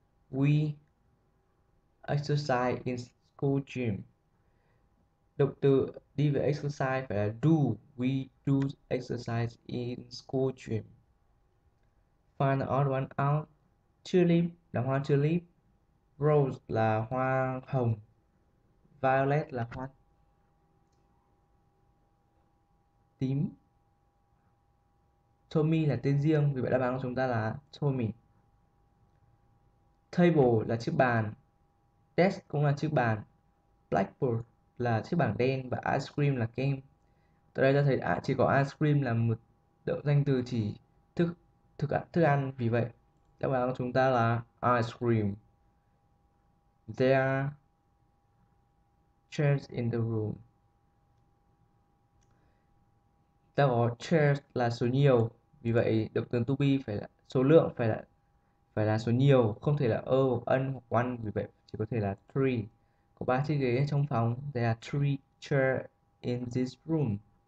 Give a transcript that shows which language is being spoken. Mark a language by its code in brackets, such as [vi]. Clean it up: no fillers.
[en] We exercise in school gym. [vi] Động từ đi về exercise phải là do. [en] We do exercise in school gym. Find the odd one out. Tulip [vi] là hoa tulip. Rose là hoa hồng. Violet là hoa tím. Tommy là tên riêng, vì vậy đáp án của chúng ta là Tommy. Table là chiếc bàn. Desk cũng là chiếc bàn. Blackboard là chiếc bảng đen. Và ice cream là kem. Từ đây ta thấy chỉ có ice cream là một động danh từ chỉ thức thức ăn, thức ăn. Vì vậy, đáp án của chúng ta là ice cream. [en] There are chairs in the room. [vi] Ta có chairs là số nhiều. Vì vậy, động từ to be phải là số lượng, phải là số nhiều, không thể là o, un hoặc one, vì vậy chỉ có thể là three. Có ba chiếc ghế trong phòng. [en] There are three chairs in this room.